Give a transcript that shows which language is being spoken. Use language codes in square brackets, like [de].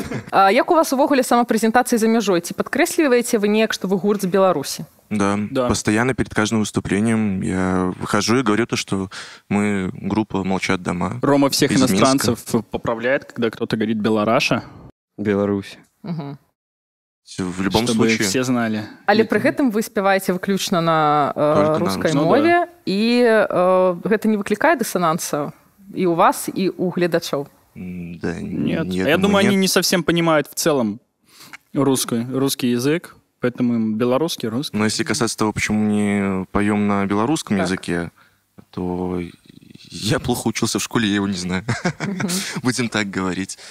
[be] А як у вас увогуле самапрэзентацыя за мяжой? Ці падкрэсліваеце вы неяк, што вы гурт з Беларусі? [ru] Да. Да, постоянно перед каждым выступлением я выхожу и говорю то, что мы группа «Молчат дома». Рома всех иностранцев поправляет, когда кто-то говорит «Беларуша». Беларусь. В любом Чтобы случае. Все знали. [be] Але при гэтым вы спеваеце выключна на рускай мове, і гэта не выклікае дысонанса і у вас, і у гледачоў. [ru] Да, нет. Я думаю, они не совсем понимают в целом русский язык, поэтому белорусский, русский. Но если касаться того, почему не поем на белорусском языке, то я плохо учился в школе, я его не знаю. Будем так говорить.